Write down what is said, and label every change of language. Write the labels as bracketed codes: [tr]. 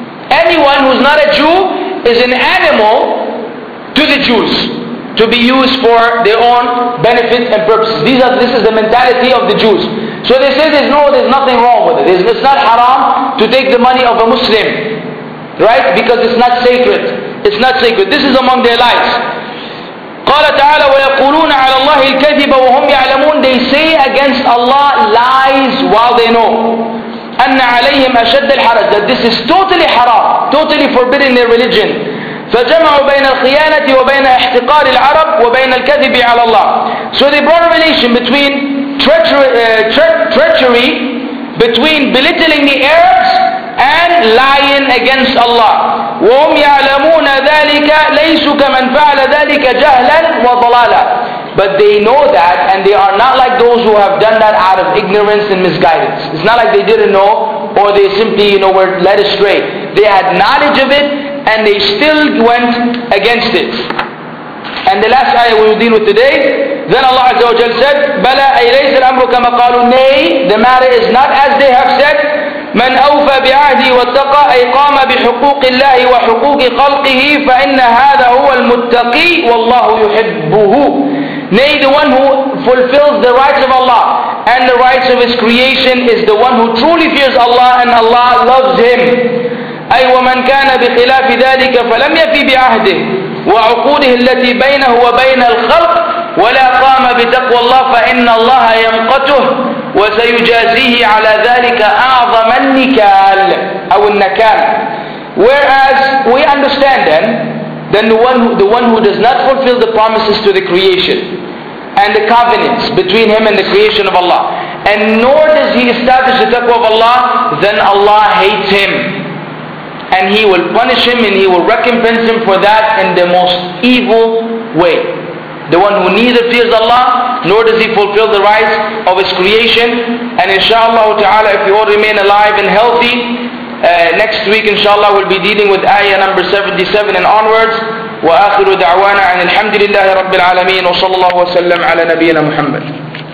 [en] Anyone who's not a Jew is an animal to the Jews, to be used for their own benefit and purposes. This is the mentality of the Jews. So they say there's nothing wrong with it. It's not haram to take the money of a Muslim, right? Because it's not sacred. It's not sacred. This is among their lies. [ar] قال تعالى ويقولون على الله الكذب وهم يعلمون. [en] They say against Allah lies while they know. [ar] أن عليهم أشد الحرج. [en] That this is totally haram, totally forbidden in their religion. [ar] فجمعوا بين الخيانة وبين احتقار العرب وبين الكذب على الله. [en] So they brought a relation between treachery, between belittling the Arabs and lying against Allah. [ar] وهم يعلمون ذلك ليس كمن فعل ذلك جهلا وضلالا. [en] But they know that, and they are not like those who have done that out of ignorance and misguidance. It's not like they didn't know, or they simply, you know, were led astray. They had knowledge of it, and they still went against it. And the last ayah we will deal with today, then Allah Azza wa Jal said, [ar] بَلَا أَيْلَيْسَ الْأَمْرُ كَمَا قَالُوا. [en] Nay, the matter is not as they have said. [ar] مَنْ أَوْفَ بِعَهْدِي وَاتَّقَى أَيْقَامَ بِحُقُوقِ اللَّهِ وَحُقُوقِ خَلْقِهِ فَإِنَّ هَذَا هُوَ الْمُتَّقِي وَاللَّهُ يُحِبُّهُ. [en] Nay, the one who fulfills the rights of Allah and the rights of His creation is the one who truly fears Allah and Allah loves him. [ar] أي ومن كان بخلاف ذلك فلم يفي بعهده وعقوده التي بينه وبين الخلق ولا قام بتقوى الله فإن الله يمقته وسيجازيه على ذلك أعظم النكال أو النكال. [en] Whereas we understand then then the one who does not fulfill the promises to the creation and the covenants between him and the creation of Allah, and nor does he establish the taqwa of Allah, then Allah hates him. And he will punish him and he will recompense him for that in the most evil way. The one who neither fears Allah, nor does he fulfill the rights of his creation. And inshallah ta'ala, if we all remain alive and healthy, next week inshallah we'll be dealing with ayah number 77 and onwards. [ar] وآخر دعوانا عن الحمد لله رب العالمين وصلى الله وسلم على نبينا محمد.